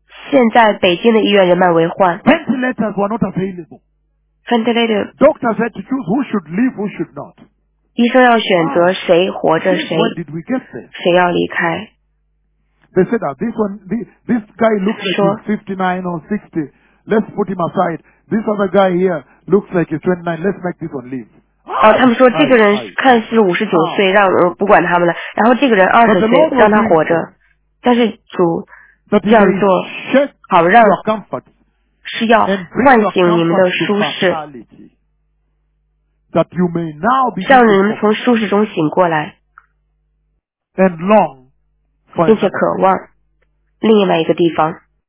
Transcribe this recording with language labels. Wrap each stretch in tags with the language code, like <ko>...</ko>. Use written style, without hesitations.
<zh>现在北京的医院人满为患。</zh> <en>Ventilators were not available. Doctors had to choose who should live, who should not.</en> <zh>医生要选择谁活着，谁要离开。</zh> <en>They said that this guy looks like he's 59 or 60. Let's put him aside. This other guy here looks like he's 29. Let's make this one live.</en> <zh>他们说这个人看似59岁，让不管他们了，然后这个人20岁让他活着，但是主这样做好让是要唤醒你们的舒适，让你们从舒适中醒过来，并且渴望另外一个地方。</zh>